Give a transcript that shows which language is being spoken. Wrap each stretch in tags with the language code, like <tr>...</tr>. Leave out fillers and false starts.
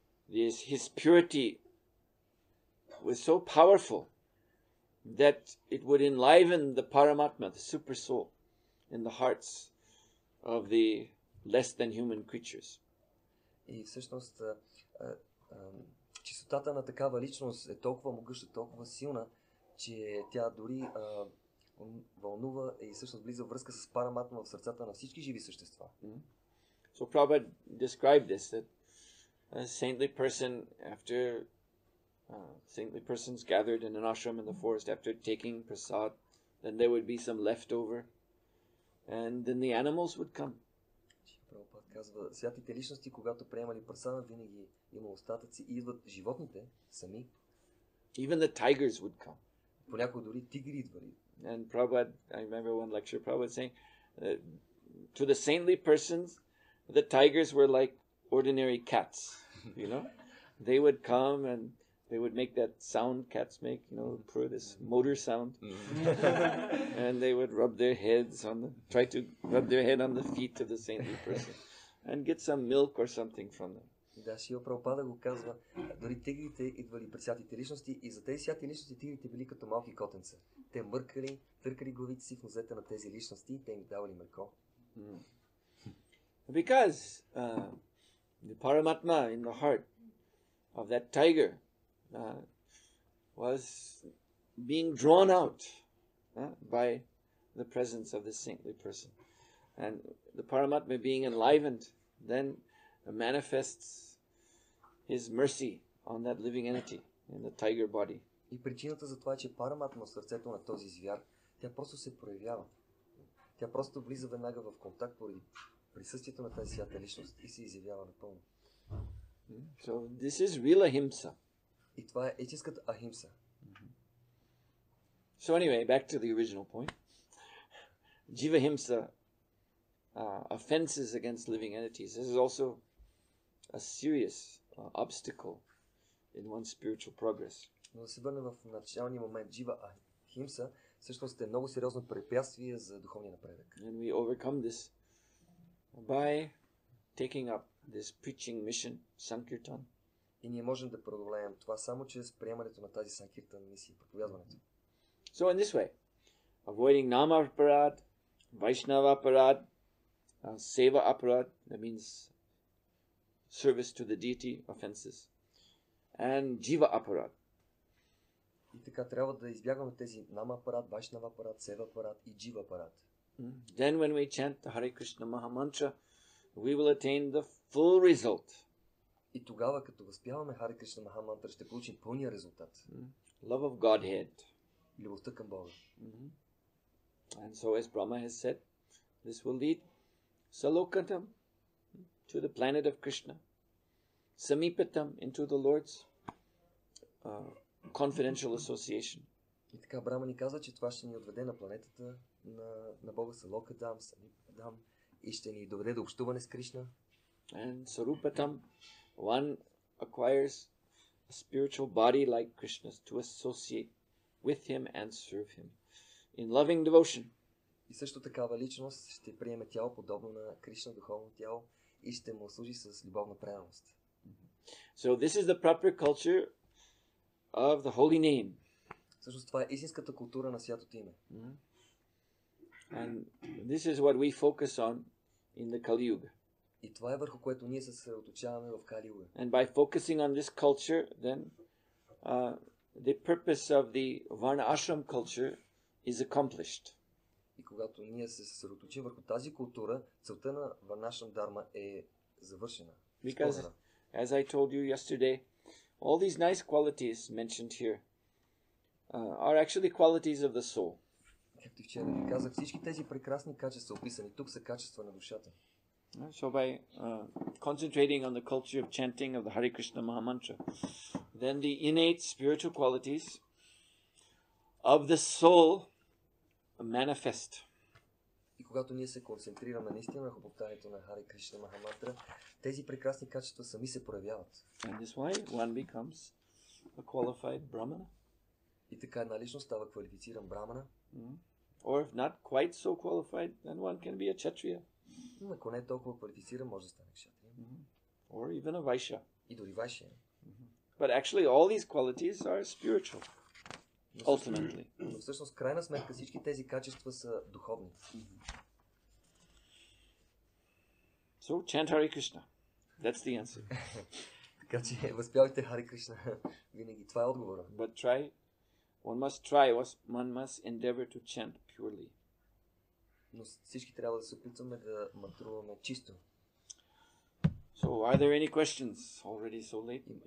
<en>His purity was so powerful that it would enliven the Paramatma, the super soul, in the hearts of the less than human creatures.</en> <bg>И всъщност чистотата на такава личност е толкова могъща, толкова силна, че тя дори вълнува и всъщност влиза връзка с параматма в сърцата на всички живи същества.</bg> <en>So Prabhupada described this, that a saintly person, after saintly persons gathered in an ashram in the forest after taking prasad, then there would be some leftover, and then the animals would come.</en> <bg>Prabhupada казва, святите личности, когато приемали прасада, винаги има остатъци и идват животните сами.</bg> <en>Even the tigers would come.</en> <bg>Понякога дори тигри идвали.</bg> <en>And Prabhupada, I remember one lecture, Prabhupada saying, to the saintly persons, the tigers were like ordinary cats, you know? They would come and they would make that sound cats make, you know, purr, this motor sound. And they would rub their heads on the, try to rub their head on the feet of the saintly person and get some milk or something from them.</en> <bg>Да, Шрила Прабхупада го казва, дори тигрите идвали при святите личности и за тези святи личности тигрите били като малки котенца. Те мъркали, търкали главите си в нозете на тези личности и те им давали мърко.</bg> <en>Because the Paramatma in the heart of that tiger was being drawn out by the presence of this saintly person. And the Paramatma being enlivened then manifests His mercy on that living entity in the tiger body.</en> <bg>И причината за това, че параматма в сърцето на този звяр, тя просто се проявява. Тя просто влиза веднага в контакт поради присъствието на тази свята личност и се изявява напълно.</bg> <en>So this is real ahimsa.</en> <bg>И това е истинската ахимса.</bg> <en>So anyway, back to the original point. Jiva himsa offenses against living entities. This is also a serious obstacle in one's spiritual progress.</en> <bg>Но да се върне в началния момент, джива ахимса всъщност е много сериозно препятствие за духовния напредък.</bg> <en>And we overcome this by taking up this preaching mission, sankirtan.</en> <bg>И ние можем да продължаем това само чрез приемането на тази санкиртан мисия, проповядването.</bg> <en>So in this way, avoiding nama aparad, vaishnava aparad, seva aparad, that means service to the deity offenses, and jiva aparad.</en> <bg>И така трябва да избягваме тези нама апарат, вайшнава апарат, сева апарат и джива апарат.</bg> <en>Then when we chant the Hare Krishna Maha Mantra, we will attain the full result.</en> <bg>И тогава, като възпяваме Hare Krishna Maha Mantra, ще получим пълния резултат.</bg> <en>Love of Godhead.</en> <bg>Любовта към Бога.</bg> <en>And so as Brahma has said, this will lead Salokatam, to the planet of Krishna, Samipatam, into the Lord's confidential association.</en> <bg>И така Брама ни казва, че това ще ни отведе на планетата на Бога Салокадам, Самипатам, и ще ни доведе до общуване с Кришна.</bg> <en>And Sarupatam, one acquires a spiritual body like Krishna's to associate with him and serve him in loving devotion.</en> <bg>И също такава личност ще приеме тяло подобно на Кришна, духовно тяло, и ще му служи с любовна преданост.</bg> <en>So this is the proper culture of the holy name.</en> <bg>Всъщност това е истинската култура на святото име.</bg> <en>And this is what we focus on in the Kali Yuga.</en> <bg>И това е върху което ние се съсредоточаваме в Кали Юга.</bg> <en>And by focusing on this culture, then the purpose of the Varna Ashram culture is accomplished.</en> <bg>И когато ние се съсредоточим върху тази култура, целта на Варнашрам Дарма е завършена.</bg> <en>Because, as I told you yesterday, all these nice qualities mentioned here are actually qualities of the soul.</en> <bg>Както вчера ви казах, всички тези прекрасни качества описани тук са качества на душата.</bg> <en>So by concentrating on the culture of chanting of the Hare Krishna Maha Mantra, then the innate spiritual qualities of the soul manifest.</en> <bg>И когато ние се концентрираме наистина върху повторението на Хари Кришна Махамантра, тези прекрасни качества сами се проявяват.</bg> <en>And this way one becomes a qualified brahmana.</en> <bg>И така една личност става квалифициран брахмана.</bg> <en>Or if not quite so qualified, then one can be a kshatriya.</en> <bg>Ако не е толкова квалифициран, може да стане кшатрия.</bg> <en>Or even a vaishya.</en> <bg>И дори вайшя.</bg> <en>But actually all these qualities are spiritual. Ultimately.</en> <bg>Но всъщност, крайна сметка, всички тези качества са духовни.</bg> <en>So, chant Hare Krishna. That's the answer.</en> <bg>Така че, възпявайте Hare Krishna. Винаги. Това е отговора.</bg> <en>But try, one must try, one must endeavor to chant pure. purely.</en> <bg>Но всички трябва да се опитваме да матруваме чисто.</bg> <en>So, are there any questions already so late?</en>